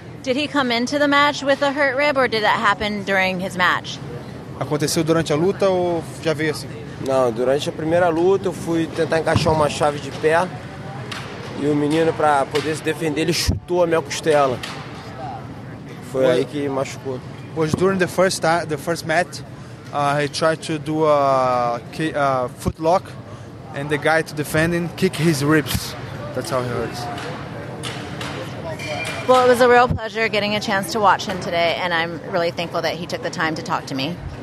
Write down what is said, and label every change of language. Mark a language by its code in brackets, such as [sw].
[en] Did he come into the match with a hurt rib, or did that happen during his match? [pt] Aconteceu durante a luta ou já veio assim? Não, durante a primeira luta eu fui tentar encaixar uma chave de pé e o menino para poder se defender ele chutou a minha costela. Foi aí que machucou. [en] Was during the first match, he tried to do a foot lock, and the guy to defending kick his ribs. That's how he hurts. Well, it was a real pleasure getting a chance to watch him today, and I'm really thankful that he took the time to talk to me.